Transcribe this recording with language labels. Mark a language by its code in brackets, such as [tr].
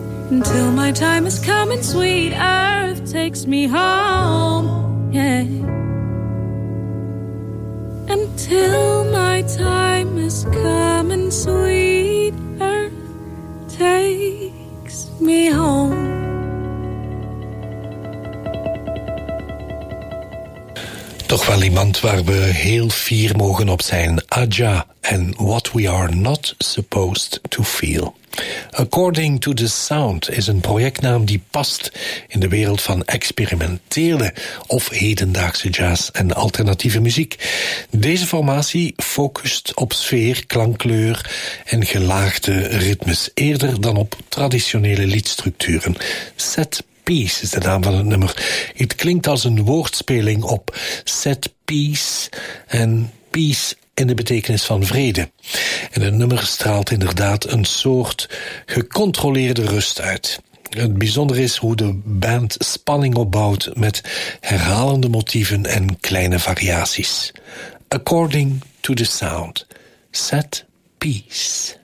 [en] Until my time is coming, sweet earth takes me home, yeah. Until my time is coming, sweet earth takes me home. [nl] Toch wel iemand waar we heel fier mogen op zijn. Aja [en] and What We Are Not Supposed to Feel. [nl] According to the Sound is een projectnaam die past in de wereld van experimentele of hedendaagse jazz en alternatieve muziek. Deze formatie focust op sfeer, klankkleur en gelaagde ritmes eerder dan op traditionele liedstructuren. Set Piece is de naam van het nummer. Het klinkt als een woordspeling op set piece en peace in de betekenis van vrede. En het nummer straalt inderdaad een soort gecontroleerde rust uit. Het bijzondere is hoe de band spanning opbouwt met herhalende motieven en kleine variaties. [en] According to the Sound, set piece.